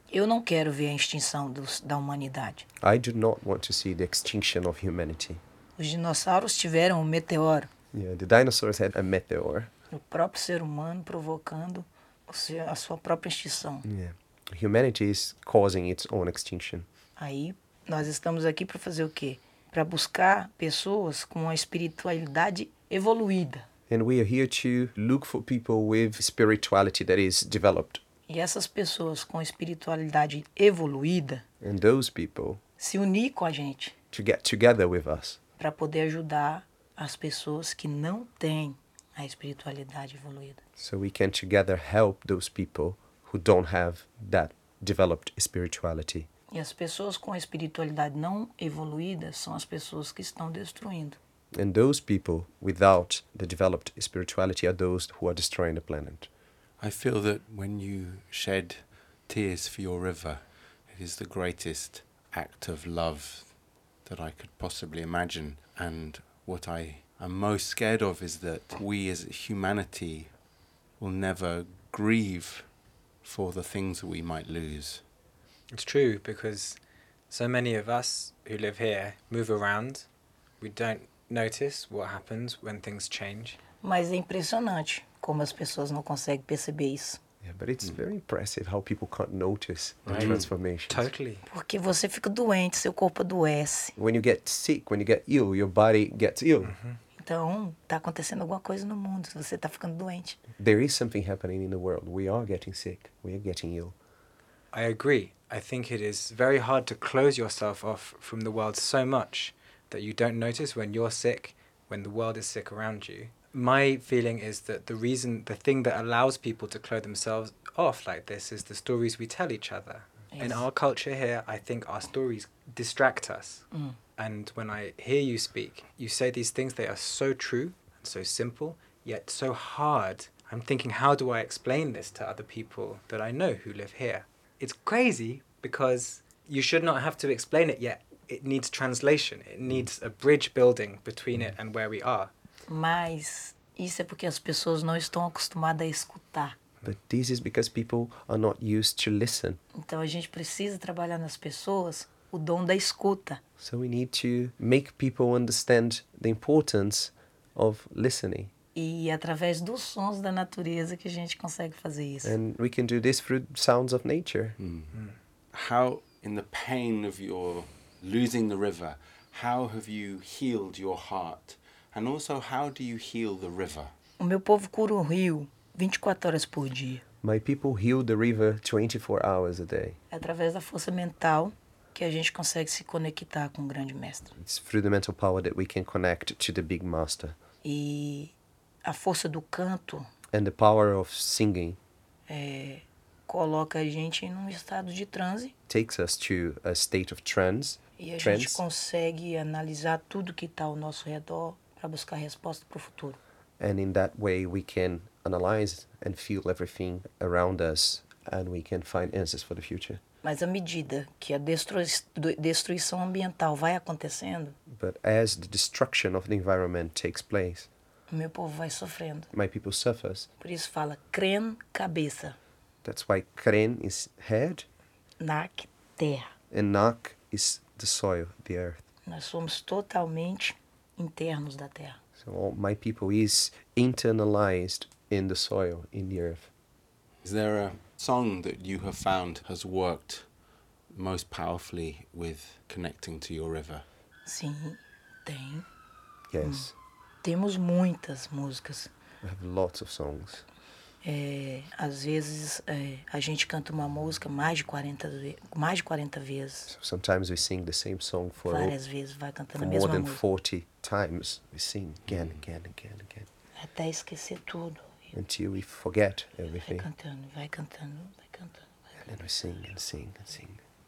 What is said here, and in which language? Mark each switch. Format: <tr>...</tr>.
<pt>Eu não quero ver a extinção da humanidade.</pt> <en>I do not want to see the extinction of humanity.</en> <pt>Os dinossauros tiveram um meteoro.</pt> <en>Yeah, the dinosaurs had a meteor.</en> <pt>O próprio ser humano provocando a sua própria extinção.</pt> <en>Yeah. Humanity is causing its own extinction.</en> <pt>Aí, nós estamos aqui para fazer o quê? Para buscar pessoas com uma espiritualidade evoluída.</pt> <en>And we are here to look for people with spirituality that is developed.</en> <pt>E essas pessoas com espiritualidade evoluída.</pt> <en>And those people.</en> <pt>Se unir com a gente.</pt> <en>To get together with us.</en> <pt>Para poder ajudar as pessoas que não têm a espiritualidade evoluída.</pt> <en>So we can together help those people who don't have that developed spirituality.</en> <pt>E as pessoas com a espiritualidade não evoluída são as pessoas que estão destruindo.</pt> <en>And those people without the developed spirituality are those who are destroying the planet. I feel that when you shed tears for your river, it is the greatest act of love that I could possibly imagine. And what I am most scared of is that we as humanity will never grieve for the things that we might lose. It's true, because so many of us who live here move around. We don't notice what happens when things change.</en> <pt>Mas é impressionante como as pessoas não conseguem perceber isso.</pt> <en>Yeah, but it's very impressive how people can't notice the transformations. Totally.</en> <pt>Porque você fica doente, seu corpo adoece.</pt> <en>When you get sick, when you get ill, your body gets ill. Mm-hmm.</en> <pt>Então, tá acontecendo alguma coisa no mundo, você tá ficando doente.</pt> <en>There is something happening in the world. We are getting sick. We are getting ill. I agree. I think it is very hard to close yourself off from the world so much that you don't notice when you're sick, when the world is sick around you. My feeling is that the reason, the thing that allows people to close themselves off like this is the stories we tell each other. Yes. In our culture here, I think our stories distract us. Mm. And when I hear you speak, you say these things, they are so true, and so simple, yet so hard. I'm thinking, how do I explain this to other people that I know who live here? It's crazy, because you should not have to explain it, yet it needs translation. It needs a bridge building between it and where we are.</en> <pt>Mas isso é porque as pessoas não estão acostumadas a escutar.</pt> <en>But this is because people are not used to listen.</en> <pt>Então a gente precisa trabalhar nas pessoas o dom da escuta.</pt> <en>So we need to make people understand the importance of listening.</en> <pt>E através dos sons da natureza que a gente consegue fazer isso.</pt> <en>And we can do this through sounds of nature. Mm-hmm. How, in the pain of your losing the river, how have you healed your heart? And also, how do you heal the river?</en> <pt>O meu povo cura o rio 24 horas por dia.</pt> <en>My people heal the river 24 hours a day.</en> <pt>É através da força mental que a gente consegue se conectar com o grande mestre.</pt> <en>It's through the mental power that we can connect to the big master.</en> <pt>E a força do canto.</pt> <en>And the power of singing.</en> <pt>É, coloca a gente em um estado de transe.</pt> <en>Takes us to a state of trance.</en> <pt>E a trance. Gente consegue analisar tudo que está ao nosso redor. Para buscar resposta para o futuro.</pt> <en>And in that way we can analyze and feel everything around us and we can find answers for the future.</en> <pt>Mas à medida que a destruição ambiental vai acontecendo,</pt> <en>but as the destruction of the environment takes place,</en> <pt>o meu povo vai sofrendo.</pt> <en>My people suffers.</en> <pt>Por isso fala Kren cabeça.</pt> <en>That's why Kren is head.</en> <pt>Nak terra.</pt> <en>And Nak is the soil, the earth.</en> <pt>Nós somos totalmente internos da terra.</pt> <en>So all my people is internalized in the soil, in the earth. Is there a song that you have found has worked most powerfully with connecting to your river?</en> <pt>Sim, tem.</pt> <en>Yes.</en> <pt>Temos muitas músicas.</pt> <en>We have lots of songs.</en> <pt>É, às vezes é, a gente canta uma música mais de 40 vezes.</pt> <en>So sometimes we sing the same song for</en> <pt>várias vezes, vai cantando a mesma música.</pt> <en>More than 40 times we sing again, again, again, again.</en> <pt>Até esquecer tudo.</pt> <en>Until we forget everything.</en> <pt>Vai cantando.</pt> <en>And then we sing and sing and sing.</en>